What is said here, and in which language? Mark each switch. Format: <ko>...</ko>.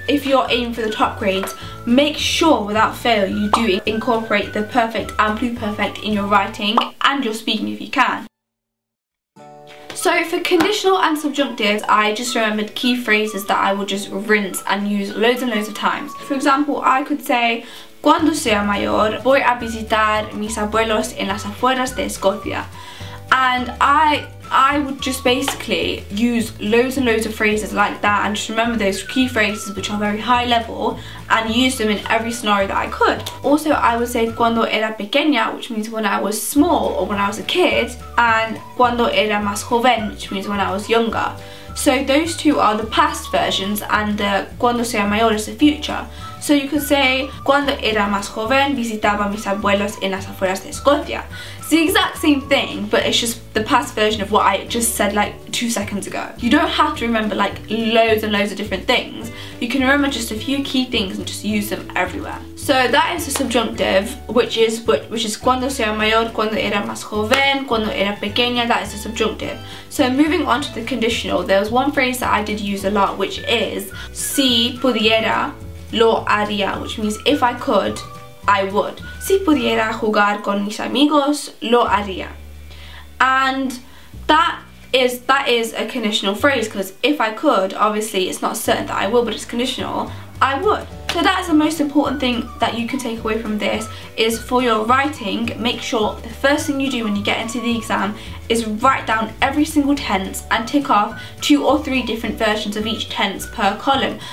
<en>If you're aiming for the top grades, make sure without fail you do incorporate the perfect and pluperfect in your writing and your speaking if you can. So for conditional and subjunctives, I just remembered key phrases that I would just rinse and use loads and loads of times. For example, I could say,</en> <es>cuando sea mayor, voy a visitar mis abuelos en las afueras de Escocia.</es> <en>And I would just basically use loads and loads of phrases like that and just remember those key phrases which are very high level and use them in every scenario that I could. Also, I would say</en> <es>cuando era pequeña,</es> <en>which means when I was small or when I was a kid, and</en> <es>cuando era más joven,</es> <en>which means when I was younger. So those two are the past versions, and the</en> <es>cuando sea mayor</es> <en>is the future. So you could say,</en> <es>cuando era más joven, visitaba mis abuelos en las afueras de Escocia.</es> <en>It's the exact same thing, but it's just the past version of what I just said like 2 seconds ago. You don't have to remember like loads and loads of different things. You can remember just a few key things and just use them everywhere. So that is the subjunctive, which is</en> <es>cuando sea mayor, cuando era más joven, cuando era pequeña,</es> <en>that is the subjunctive. So moving on to the conditional, there was one phrase that I did use a lot, which is,</en> <es>si pudiera, lo haría,</es> <en>which means if I could, I would.</en> <es>Si pudiera jugar con mis amigos, lo haría.</es> <en>And that is a conditional phrase, because if I could, obviously it's not certain that I will, but it's conditional, I would. So that is the most important thing that you can take away from this, is for your writing, make sure the first thing you do when you get into the exam is write down every single tense and tick off 2 or 3 different versions of each tense per column.</en>